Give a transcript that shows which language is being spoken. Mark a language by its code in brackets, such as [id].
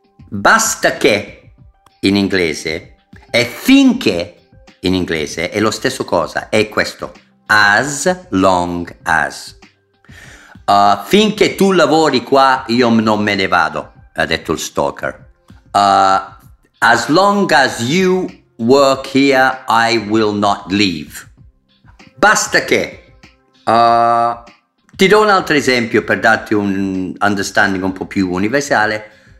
[it] Basta che, in inglese, e finché, in inglese, è lo stesso cosa. È questo. [en] As long as. [it] Finché tu lavori qua, io non me ne vado, ha detto il stalker. [en] As long as you work here, I will not leave. [it] Basta che. Ti do un altro esempio per darti un understanding un po' più universale.